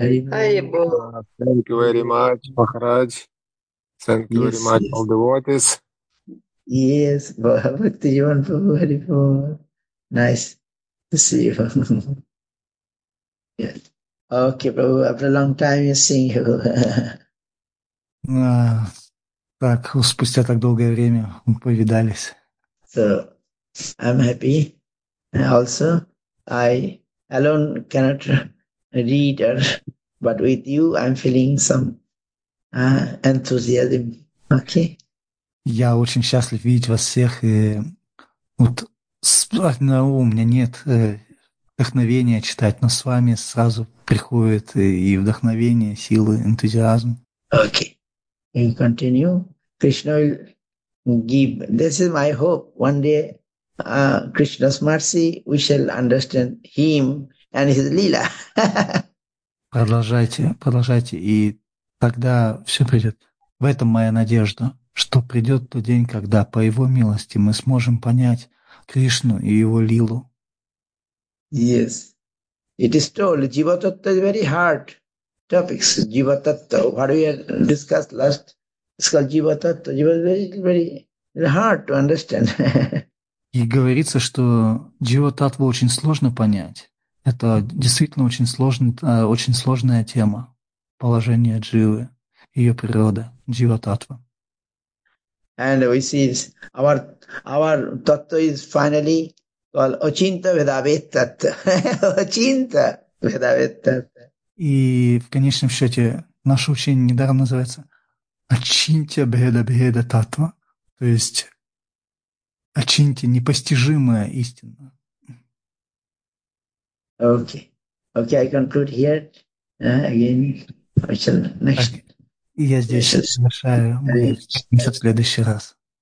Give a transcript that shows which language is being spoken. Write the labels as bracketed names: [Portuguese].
[English] Thank you very much, Maharaj. Thank you very much, all the devotees. Yes, Bhakti Jivan Prabhu Haribo. Nice to see you. Yes. Okay, Prabhu, after a long time, you're seeing you. [Russian] Так, спустя так долгое время мы повидались. [English] So, I'm happy. And also, I alone cannot reader, but with you I'm feeling some enthusiasm. Okay. [Russian] Я очень счастлив видеть вас всех. И вот на ум у меня нет вдохновения читать, но с вами сразу приходит и вдохновение, силы, энтузиазм. [English] Okay. We continue. Krishna will give. This is my hope. One day Krishna's mercy, we shall understand him and his Lila. [Russian] Продолжайте, продолжайте, и тогда все придет. В этом моя надежда, что придет тот день, когда по его милости мы сможем понять Кришну и его лилу. [English] Yes. It is told, Jiva Tattva is very hard topics. Jiva Tattva, what we discussed last, it's called Jiva Tattva. Jiva is very, very hard to understand. [Russian] И говорится, что Jiva Tattva очень сложно понять. Это действительно очень сложная тема положение дживы, ее природа, джива-таттва. [English] And we see our tattva is finally called Ачинта-ведавит-таттва. [Sanskrit] Ачинта-ведавит-таттва. [Russian] И в конечном счете наше учение недаром называется Ачинта-беда-беда-таттва, то есть Ачинта – непостижимая истина. [English] Okay, I conclude here again. I shall next. [Russian] Я здесь завершаю. Мы встретимся в следующий раз.